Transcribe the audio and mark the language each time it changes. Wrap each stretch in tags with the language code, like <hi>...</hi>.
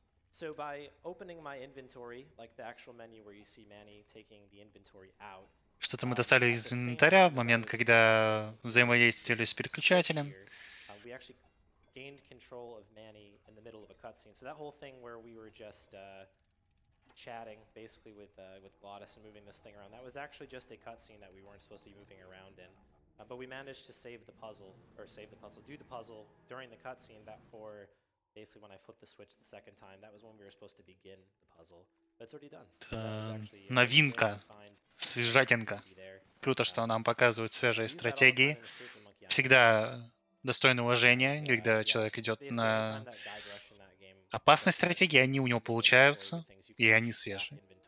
<en>So by opening my inventory, like the actual menu where you see Manny taking the inventory out.</en> <ru>Что-то мы достали из инвентаря в момент, когда взаимодействовали с переключателем.</ru> <en>We actually gained control of Manny in the middle of a cutscene. So that whole thing where we were just chatting basically with Gladys and moving this thing around, that was actually just a cutscene that we weren't supposed to be moving around in. But we managed to do the puzzle during the cutscene. That for basically when I flipped the switch the second time, that was when we were supposed to begin the puzzle. But it's already done.</en> <ru>Новинка, свежатинка. Круто, что нам показывают свежие стратегии. Всегда достойно уважения, когда человек идет на опасные стратегии, они у него получаются и они свежие.</ru>